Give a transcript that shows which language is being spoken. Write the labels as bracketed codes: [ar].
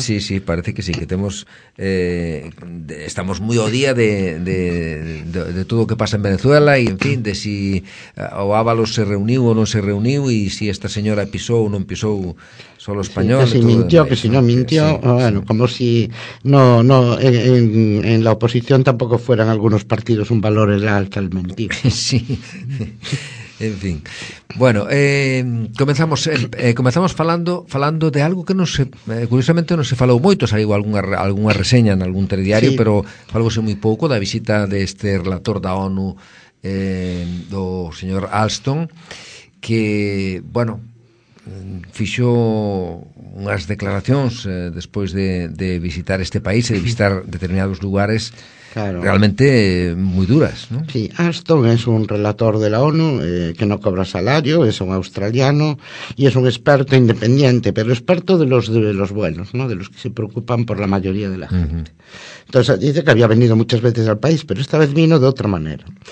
[gl] Sí, sí, parece que sí, que temos, estamos muy ao día de todo o que pasa en Venezuela y en fin, de si o Ábalos se reuniu ou non se reuniu e si esta señora pisou ou non pisou solo español. [es] Sí, que si todo mintió, que si no mintió, sí, bueno, sí. Como si no en la oposición tampoco fueran algunos partidos un valor en la alta el mentir. Sí. [gl] En fin, bueno, comenzamos falando de algo que non se, curiosamente non se falou moito, saíu algunha reseña en algún telediario, sí. Pero falouse moi pouco da visita deste relator da ONU, do señor Alstom, que, bueno, fixou unhas declaracións despois de visitar este país e de visitar determinados lugares. [es] Claro. Realmente muy duras, ¿no? Sí, Alstom es un relator de la ONU que no cobra salario, es un australiano y es un experto independiente, pero experto de los buenos, ¿no? De los que se preocupan por la mayoría de la gente. Entonces dice que había venido muchas veces al país, pero esta vez vino de otra manera.